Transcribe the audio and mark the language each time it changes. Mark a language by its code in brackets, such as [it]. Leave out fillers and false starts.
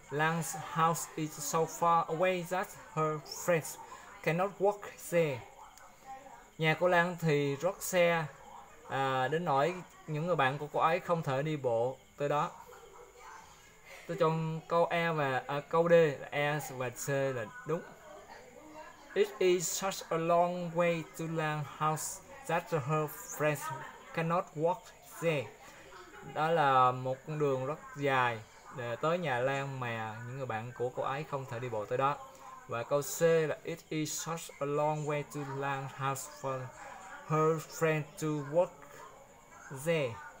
[en] Lan's house is so far away that her friends cannot walk there. [vi] Nhà của Lan thì rất xa đến nỗi những người bạn của cô ấy không thể đi bộ tới đó. Tôi chọn câu E và câu D là E và C là đúng. [en] It is such a long way to Lan's house that her friends cannot walk there. [vi] Đó là một con đường rất dài để tới nhà Lan mà những người bạn của cô ấy không thể đi bộ tới đó. Và câu C là [en] It is such a long way to Lan's house for her friend to walk there.